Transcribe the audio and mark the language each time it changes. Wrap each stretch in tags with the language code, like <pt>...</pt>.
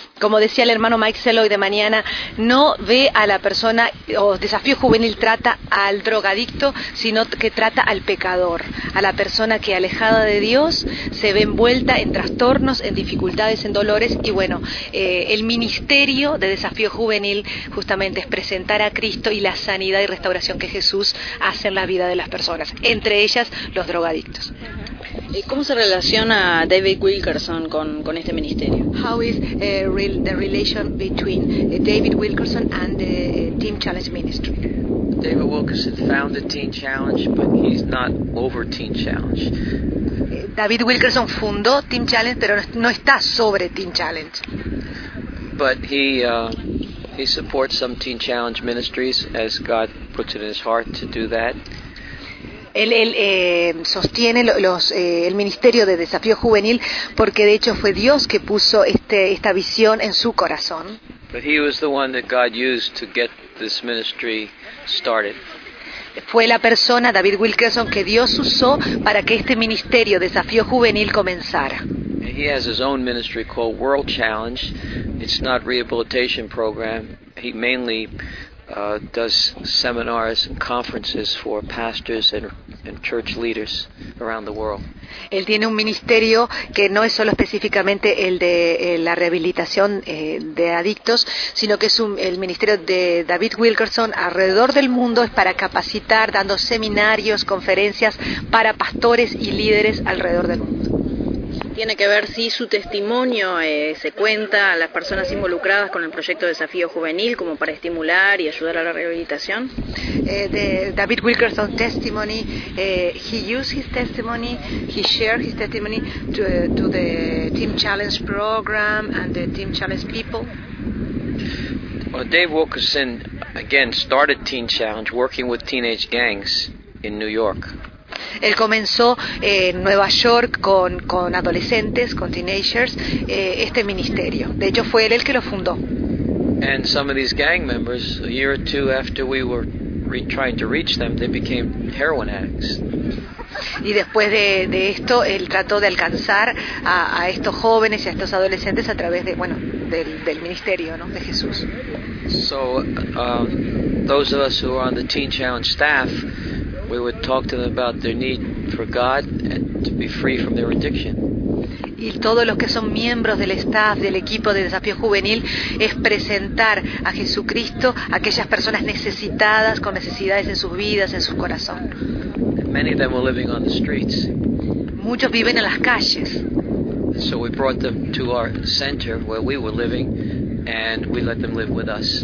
<es>como decía el hermano Mike Cello hoy de mañana, no ve a la persona, o Desafío Juvenil trata al drogadicto, sino que trata al pecador, a la persona que alejada de Dios se ve envuelta en trastornos, en dificultades, en dolores, y bueno, el ministerio de Desafío Juvenil justamente es presentar a Cristo y la sanidad y restauración que Jesús hace en la vida de las personas, entre ellas los drogadictos. ¿Y cómo se relaciona David Wilkerson con este ministerio?</es> <en>How is the relation between David Wilkerson and the Team Challenge Ministry? David Wilkerson founded Team Challenge, but he's not over Team Challenge.</en> <es>David Wilkerson fundó Team Challenge, pero no está sobre Team Challenge.</es> <en>But he supports some Team Challenge ministries as God puts it in his heart to do that.</en> <es>Él sostiene el ministerio de Desafío Juvenil porque de hecho fue Dios que puso esta visión en su corazón.</es> <en>But he was the one that God used to get this ministry started.</en> <es>Fue la persona, David Wilkerson, que Dios usó para que este ministerio Desafío Juvenil comenzara.</es> <en>He has his own ministry called World Challenge. It's not a rehabilitation program. He mainly does seminars and conferences for pastors and church leaders around the world.</en> <es>Él tiene un ministerio que no es solo específicamente el de la rehabilitación de adictos, sino que es el ministerio de David Wilkerson alrededor del mundo, es para capacitar, dando seminarios, conferencias para pastores y líderes alrededor del mundo. Tiene que ver si su testimonio se cuenta a las personas involucradas con el proyecto Desafío Juvenil como para estimular y ayudar a la rehabilitación.</es> <en>The David Wilkerson's testimony, he used his testimony, he shared his testimony to the Team Challenge program and the Team Challenge people. Well, Dave Wilkerson again started Teen Challenge working with teenage gangs in New York.</en> <es>Él comenzó en Nueva York con adolescentes, con teenagers, este ministerio. De hecho, fue él el que lo fundó.</es> <en>And some of these gang members, a year or two after we were trying to reach them, they became heroin addicts.</en> <es>Y después de esto, él trató de alcanzar a estos jóvenes y a estos adolescentes a través de, bueno, del ministerio, ¿no? De Jesús.</es> <en>So, those of us who are on the Teen Challenge staff, we would talk to them about their need for God and to be free from their addiction.</en> <es>Y todos los que son miembros del staff, del equipo de Desafío Juvenil, es presentar a Jesucristo a aquellas personas necesitadas, con necesidades en sus vidas, en su corazón.</es> <en>Many of them were living on the streets.</en> <es>Muchos viven en las calles.</es> <en>So we brought them to our center where we were living, and we let them live with us.</en>